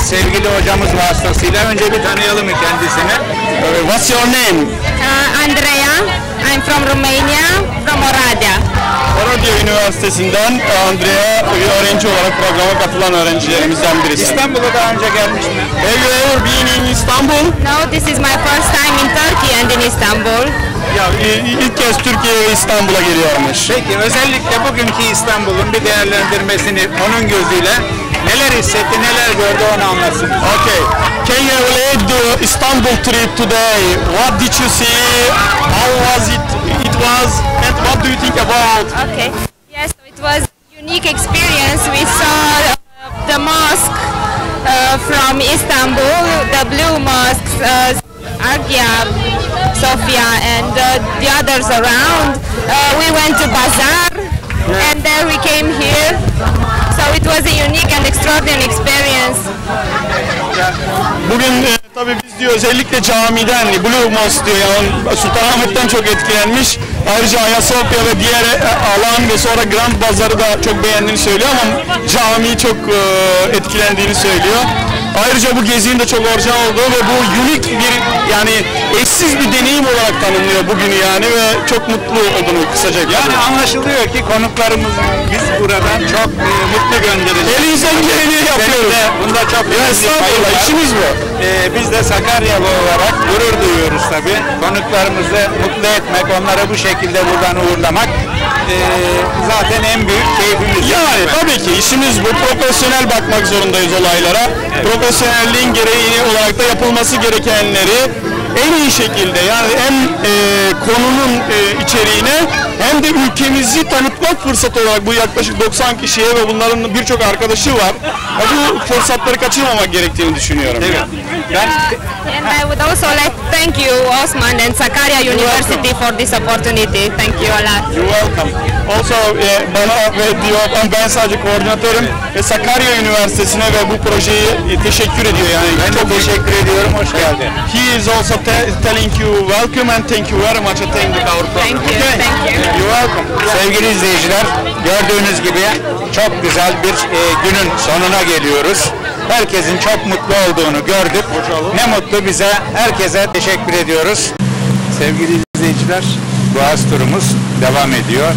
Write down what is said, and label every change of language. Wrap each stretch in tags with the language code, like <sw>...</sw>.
<tr>Sevgili hocamız vasıtasıyla önce bir tanıyalım mı kendisini?</tr> <en>What's your name? Andrea. I'm from Romania, from Oradea.</en> <tr>Oradea Üniversitesi'nden Andrea öğrenci olarak programa katılan öğrencilerimizden birisi. İstanbul'a daha önce gelmiş mi?</tr> <en>Have you ever been in Istanbul? No, this is my first time in Turkey and in Istanbul.</en> <tr>Ya ilk kez Türkiye'ye İstanbul'a geliyormuş. Peki, özellikle bugünkü İstanbul'un bir değerlendirmesini onun gözüyle neler hissetti, neler gördü onu anlatsın.</tr> <en>Okay. Can you relate the Istanbul trip today? What did you see? How was it? It was, and what do you think about? Okay. Yes, so it was a unique experience. We saw the mosque from Istanbul, the blue mosques, Hagia Sophia and the others around. We went to bazaar, yeah. And then we came here. So it was a unique and extraordinary experience.</en> <tr>Bugün tabii biz diyor özellikle camiden Blue Mosque diyor, yani Sultanahmet'ten çok etkilenmiş. Ayrıca Ayasofya ve diğer alan ve sonra Grand Bazar'ı da çok beğendiğini söylüyor ama camiyi çok etkilendiğini söylüyor. Ayrıca bu gezinin de çok orijinal olduğu ve bu unique bir, yani eşsiz bir deneyim olarak tanımlıyor bugünü yani ve çok mutlu olduğunu kısaca görüyor. Yani anlaşılıyor ki konuklarımız biz buradan çok mutlu göndereceğiz. Elinizden geleni yapıyoruz. Bunda çok güzel bir payı var. İşimiz bu. Biz de Sakaryalı olarak gurur duyuyoruz tabii. Konuklarımızı mutlu etmek, onları bu şekilde buradan uğurlamak zaten en büyük keyfimiz. Yani tabii ki işimiz bu. Profesyonel bakmak zorundayız olaylara. Evet. Profesyonelliğin gereği olarak da yapılması gerekenleri en iyi şekilde, yani hem konunun içeriğine hem de ülkemizi tanıtmak fırsatı olarak bu yaklaşık 90 kişiye ve bunların birçok arkadaşı var. Bu fırsatları kaçırmamak gerektiğini düşünüyorum. Evet.</tr> <en>And I would also like to thank you, Osman, and Sakarya University for this opportunity. Thank you a lot. You're welcome.</en> <tr>Also bana ve diyor ben sadece koordinatörüm ve Sakarya Üniversitesi'ne ve bu projeye teşekkür ediyor yani. Ben çok teşekkür ediyorum, hoş geldin.</tr> <en>He is also telling you welcome and thank you very much attending our program. Thank you, okay. Thank you. You're welcome.</en> <tr>Sevgili izleyiciler, gördüğünüz gibi çok güzel bir günün sonuna geliyoruz. Herkesin çok mutlu olduğunu gördük. Ne mutlu bize, herkese teşekkür ediyoruz. Sevgili izleyiciler, boğaz turumuz devam ediyor.</tr>